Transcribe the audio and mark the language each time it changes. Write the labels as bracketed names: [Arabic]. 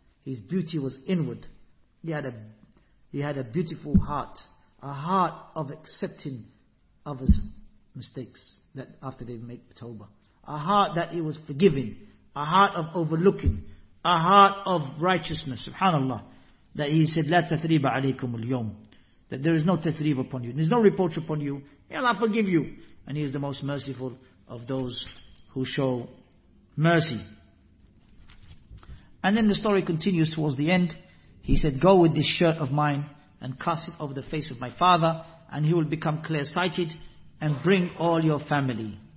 [English] His beauty was inward. He had a beautiful heart. A heart of accepting others' mistakes that after they make tawbah. A heart that he was forgiving. A heart of overlooking. A heart of righteousness. SubhanAllah. that he said, [Arabic] لا تثريب عليكم اليوم. [English] That there is no tathrib upon you. There is no reproach upon you. May Allah forgive you. And he is the most merciful of those who show mercy. And then the story continues towards the end. He said, go with this shirt of mine and cast it over the face of my father, and he will become clear-sighted, and bring all your family.